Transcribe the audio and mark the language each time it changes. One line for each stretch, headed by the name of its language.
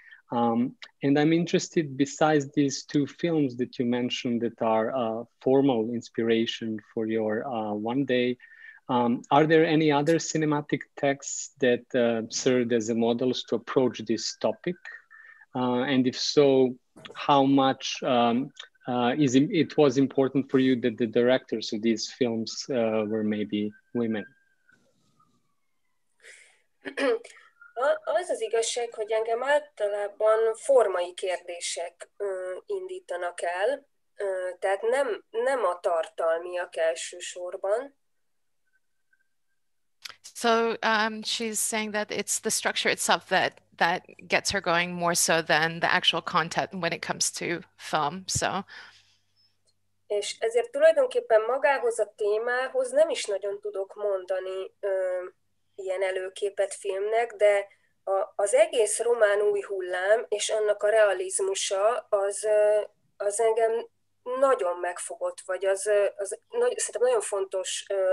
English: And I'm interested, besides these two films that you mentioned that are a formal inspiration for your one day, are there any other cinematic texts that served as a models to approach this topic? And if so, how much it was important for you that the directors of these films were maybe women?
Hungarian: Az az igazság, hogy engem általában formai kérdések indítanak el, tehát nem a tartalmiak elsősorban.
English: So she's saying that it's the structure itself that that gets her going more so than the actual content when it comes to film. So.
Hungarian: És ezért tulajdonképpen magához a témához nem is nagyon tudok mondani ilyen előképet filmnek, de az egész román új hullám és annak a realizmusa az engem nagyon megfogott, vagy szerintem nagyon fontos,